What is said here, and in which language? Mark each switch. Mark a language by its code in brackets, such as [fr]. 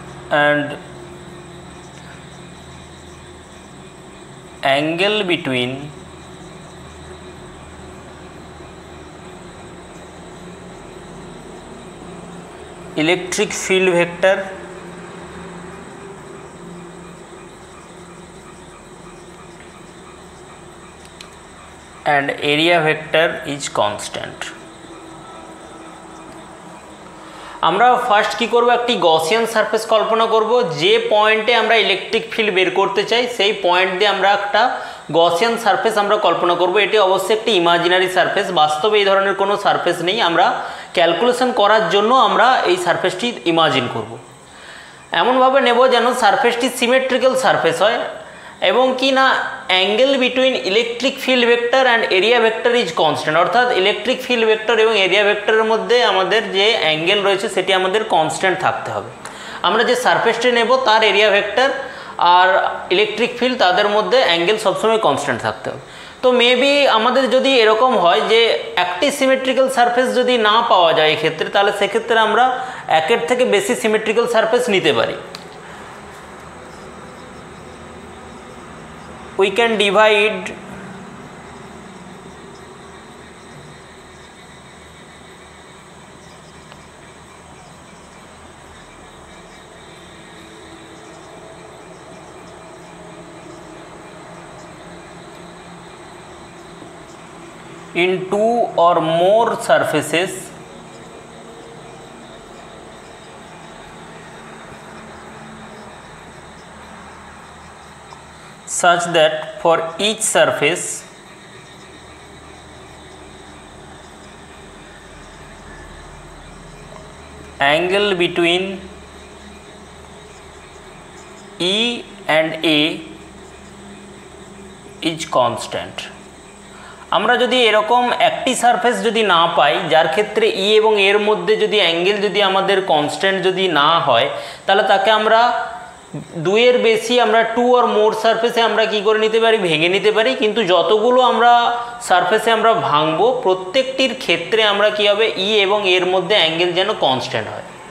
[en] and angle between electric field vector and area vector is constant. [bn] আমরা first কি করব, একটি গসিয়ান সারফেস কল্পনা করব। যে পয়েন্টে আমরা ইলেকট্রিক ফিল্ড বের করতে চাই সেই পয়েন্ট দিয়ে আমরা একটা গসিয়ান সারফেস আমরা কল্পনা করব। এটি অবশ্যই একটি ইমাজিনারি সারফেস, বাস্তবে এই ধরনের কোনো সারফেস নেই। আমরা ক্যালকুলেশন করার জন্য আমরা এই সারফেসটি ইমাজিন করব, এমনভাবে নেব যেন সারফেসটি সিমেট্রিক্যাল সারফেস হয় এবং কি না [en] angle between electric field vector and area vector is constant, [bn] অর্থাৎ ইলেকট্রিক ফিল্ড ভেক্টর এবং এরিয়া ভেক্টরের মধ্যে আমাদের যে অ্যাঙ্গেল রয়েছে সেটি আমাদের কনস্ট্যান্ট থাকতে হবে। আমরা যে সারফেসটি নেব তার এরিয়া ভেক্টর আর ইলেকট্রিক ফিল্ড তাদের মধ্যে অ্যাঙ্গেল সবসময় কনস্ট্যান্ট থাকতে হবে। তো মেবি আমাদের যদি এরকম হয় যে একটি সিমেট্রিক্যাল সারফেস যদি না পাওয়া যায় এক্ষেত্রে, তাহলে সেক্ষেত্রে আমরা একের থেকে বেশি সিমেট্রিক্যাল সারফেস নিতে পারি। [en] We can divide in two or more surfaces such that for each surface angle between E and A is constant. [bn] আমরা যদি এরকম একটি সারফেস যদি না পাই যার ক্ষেত্রে ই এবং এর মধ্যে যদি অ্যাঙ্গেল যদি আমাদের কনস্ট্যান্ট যদি না হয়, তাহলে তাকে আমরা দুইয়ের বেশি আমরা [en] two or more [bn] সারফেসে আমরা কী করে নিতে পারি, ভেঙে নিতে পারি। কিন্তু যতগুলো আমরা সারফেসে আমরা ভাঙবো প্রত্যেকটির ক্ষেত্রে আমরা কী হবে, ই এবং এর মধ্যে অ্যাঙ্গেল যেন কনস্ট্যান্ট হয়।